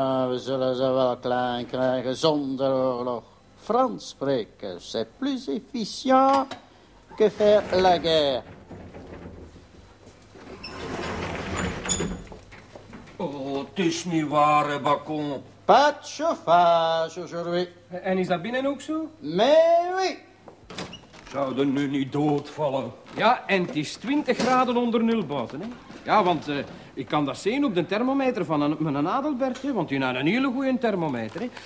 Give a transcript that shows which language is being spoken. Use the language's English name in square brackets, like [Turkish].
[Dutch] We zullen ze wel klein krijgen zonder oorlog. Frans spreken, [French] c'est plus efficient que faire la guerre. [Dutch] Oh, het is niet waar, Bacon. [French] Pas de chauffage aujourd'hui. [Dutch] En is dat binnen ook zo? [French] Mais oui. [Dutch] Zouden nu niet doodvallen. Ja, en het is 20 graden onder nul buiten, hè? Ja, want ik kan dat zien op de thermometer van mijn Adelbertje, want die had een hele goede thermometer, hè?